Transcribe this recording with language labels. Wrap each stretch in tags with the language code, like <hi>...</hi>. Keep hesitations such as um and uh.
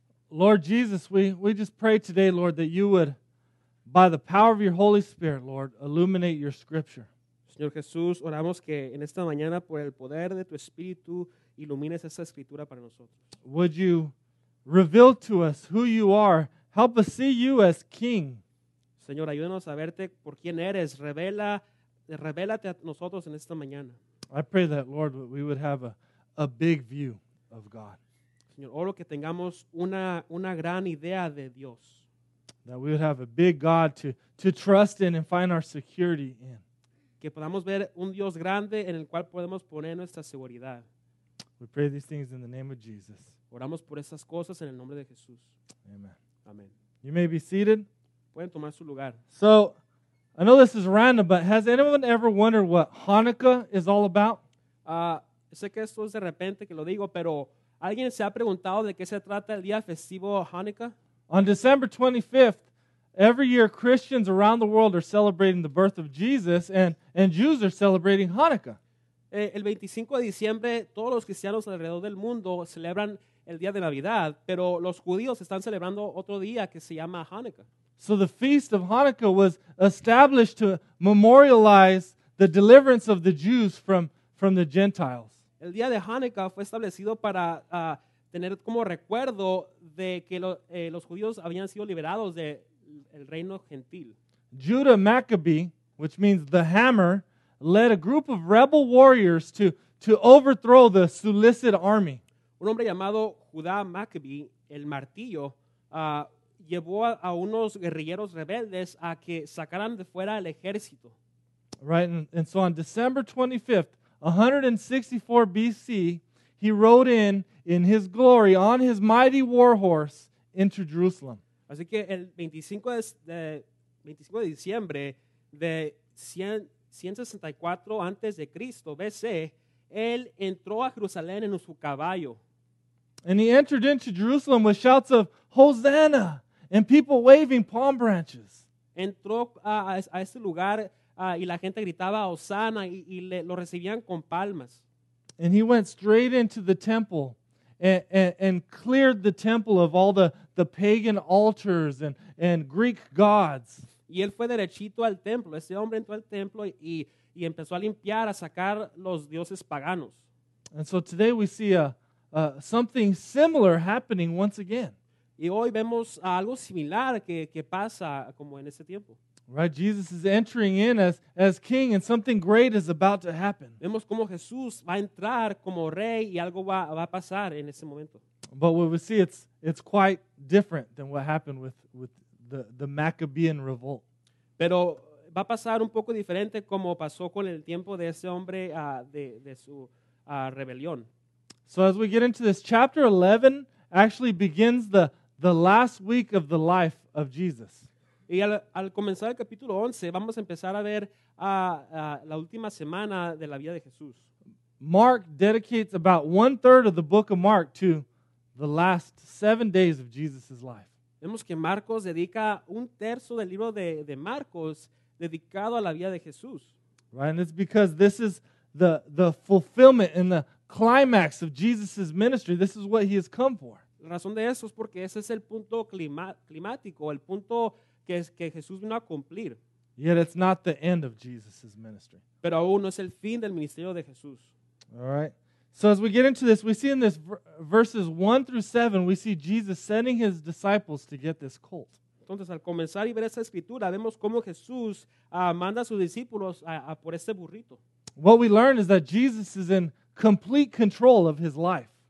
<en>Lord Jesus, we, we just pray today, Lord, that you would, by the power of your Holy Spirit, Lord, illuminate your scripture.</en> <es>Señor Jesús, oramos que en esta mañana, por el poder de tu espíritu, ilumines esta escritura para nosotros.</es> <en>Would you reveal to us who you are? Help us see you as king.</en> <es>Señor, ayúdanos a verte por quién eres. Revela, revelate a nosotros en esta mañana.</es> <en>I pray that, Lord, we would have a, a big view of God.</en> <es>Señor, oro que tengamos una, una gran idea de Dios.</es> <en>That we would have a big God to, to trust in and find our security in.</en> <es>Que podamos ver un Dios grande en el cual podemos poner nuestra seguridad.</es> <en>We pray these things in the name of Jesus.</en> <es>Oramos por esas cosas en el nombre de Jesús.</es> <en>Amen. Amen. You may be seated.</en> <es>Pueden tomar su lugar.</es> <en>So, I know this is random, but has anyone ever wondered what Hanukkah is all about? Uh, on December 25th, every year Christians around the world are celebrating the birth of Jesus and, and Jews are celebrating Hanukkah.</en> <es>El 25 de diciembre todos los cristianos alrededor del mundo celebran el día de Navidad, pero los judíos están celebrando otro día que se llama Hanukkah.</es> <en>So the feast of Hanukkah was established to memorialize the deliverance of the Jews from, from the Gentiles.</en> <es>el día de Hanukkah fue establecido para uh, tener como recuerdo de que lo, eh, los judíos habían sido liberados del de reino gentil.</es> <en>Judah Maccabee, which means the hammer, led a group of rebel warriors to, to overthrow the Seleucid army.</en> <es>Un hombre llamado Judah Maccabee, el martillo, uh, llevó a, a, unos guerrilleros rebeldes a que sacaran de fuera el ejército.</es> <en>Right, and, and so on December 25th, 164 BC, he rode in in his glory on his mighty war horse into Jerusalem.</en> <es>Así que el 25 de, 25 de diciembre de 100, 164 antes de Cristo BC, él entró a Jerusalén en su caballo.</es> <en>And he entered into Jerusalem with shouts of Hosanna and people waving palm branches.</en> <es>Entró a, a, a lugar Uh, y la gente gritaba Osana y, y le, lo recibían con palmas. Y él fue derechito al templo. Ese hombre entró al templo y, y, empezó a limpiar, a sacar los dioses paganos.</es> <en>And so today we see a, a once again.</en> <es>Y hoy vemos algo similar que, que pasa como en ese tiempo.</es> <en>Right? Jesus is entering in as, as king and something great is about to happen.</en> <es>Vemos como Jesús va a entrar como rey y algo va, va a pasar en ese momento.</es> <en>But what we see it's it's quite different than what happened with with the the Maccabean revolt.</en> <es>Pero va a pasar un poco diferente como pasó con el tiempo de ese hombre uh, de de su uh, rebelión.</es> <en>So as we get into this chapter 11 actually begins the the last week of the life of Jesus.</en> <es>Y al, al comenzar el capítulo 11, vamos a empezar a ver a uh, uh, la última semana de la vida de Jesús.</es> <en>Mark dedicates about one third of the book of Mark to the last seven days of Jesus's life.</en> <es>Vemos que Marcos dedica un tercio del libro de, de Marcos dedicado a la vida de Jesús.</es> <en>Right, and it's because this is the, the fulfillment and the climax of Jesus's ministry. This is what he has come for.</en> <es>La razón de eso es porque ese es el punto clima, climático, el punto Jesús vino cumplir.</es> <en>Yet it's not the end of Jesus's ministry.</en> <es>Pero aún no es el fin del ministerio de Jesús.</es> <en>All right. So as we get into this, we see in this verses 1 through 7, we see Jesus sending his disciples to get this colt.</en> <es>Entonces, al comenzar y ver esa escritura, vemos cómo Jesús manda a sus discípulos a, por este burrito.</es> <en>What we learn is that Jesus is in complete control of his life.</en>